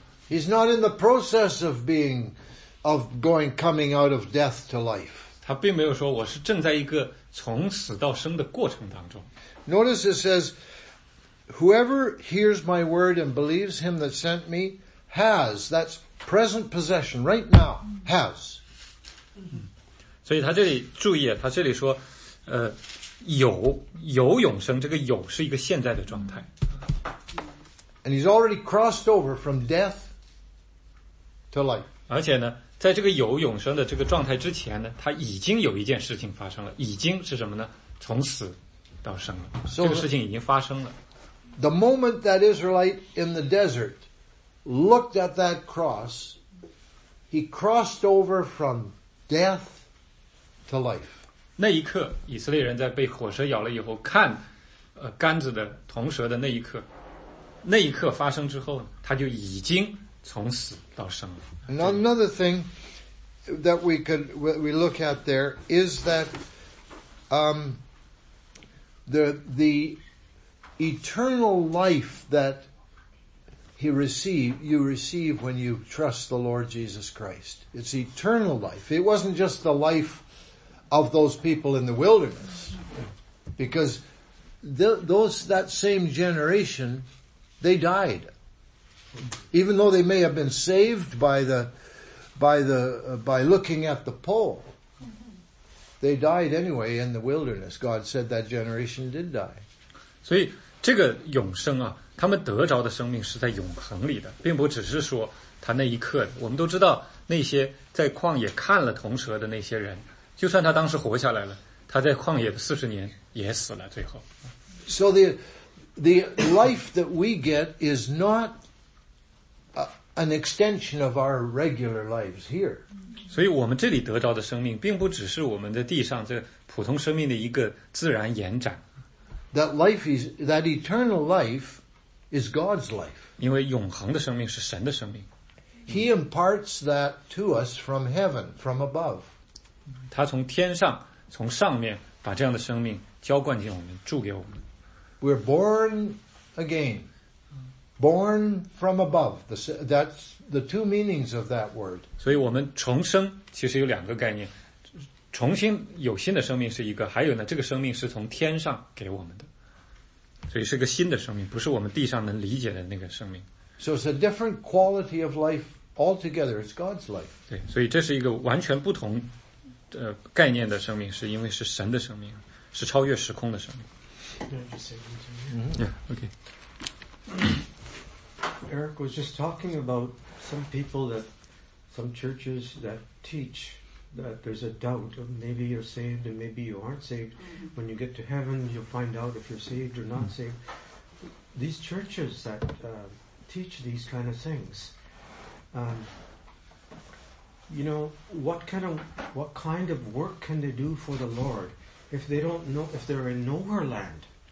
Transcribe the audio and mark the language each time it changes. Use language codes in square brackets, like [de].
[en] He's not in the process of being, of going, coming out of death to life. [zh] 他并没有说我是正在一个从死到生的过程当中。 [en] Notice it says, whoever hears my word and believes him that sent me has, that's present possession, right now, has. [zh] 所以他这里注意，他这里说，有永生，这个有是一个现在的状态。 [en] And he's already crossed over from death to life. [zh] 而且呢，在这个有永生的这个状态之前呢，他已经有一件事情发生了，已经是什么呢？从死到生了，这个事情已经发生了。 [en] The moment that Israelite in the desert looked at that cross, he crossed over from death to life. [zh] 那一刻，以色列人在被火蛇咬了以后，看，杆子的铜蛇的那一刻。那一刻发生之后，他就已经从死到生了。 [en] Another thing that we look at there is that, the eternal life that you receive when you trust the Lord Jesus Christ. It's eternal life. It wasn't just the life of those people in the wilderness, because that same generation. They died. Even though they may have been saved by looking at the pole, they died anyway in the wilderness. God said that generation did die. [zh] 所以这个永生啊，他们得着的生命是在永恒里的，并不只是说他那一刻。我们都知道那些在旷野看了铜蛇的那些人，就算他当时活下来了，他在旷野的四十年也死了最后。 [en] So the life that we get is not an extension of our regular lives here. [zh] 所以我们这里得到的生命并不只是我们的地上这普通生命的一个自然延展。 [en] That eternal life is God's life. [zh] 因为永恒的生命是神的生命。 [en] He imparts that to us from heaven, from above. [zh] 他从天上，从上面把这样的生命浇灌进我们，注给我们。 [en] We're born again. Born from above. That's the two meanings of that word. [zh] 所以我们重生其实有两个概念。重新有新的生命是一个，还有呢，这个生命是从天上给我们的。所以是个新的生命，不是我们地上能理解的那个生命。 [en] So it's a different quality of life altogether. It's God's life. [zh] 对，所以这是一个完全不同概念的生命，是因为是神的生命，是超越时空的生命。 [en] Yeah, okay. Eric was just talking about some people that, some churches that teach that there's a doubt of maybe you're saved and maybe you aren't saved. When you get to heaven, you'll find out if you're saved or not saved. These churches that teach these kind of things, you know, what kind of work can they do for the Lord if they don't know, if they're in nowhere land?